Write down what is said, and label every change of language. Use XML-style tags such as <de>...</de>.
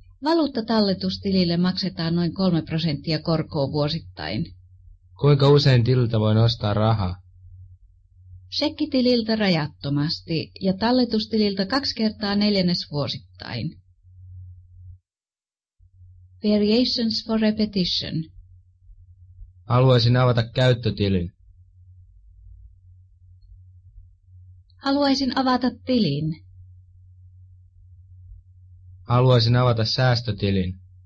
<fi>Valuuttatalletustilille maksetaan noin 3% korkoa vuosittain. Kuinka usein tililtä voi nostaa rahaa? Sekkitililtä rajattomasti ja talletustililtä 2x4 vuosittain.</fi> <en>Variations for repetition.</en> <fi>Haluaisin avata käyttötilin. Haluaisin avata tilin. Haluaisin avata säästötilin.</fi>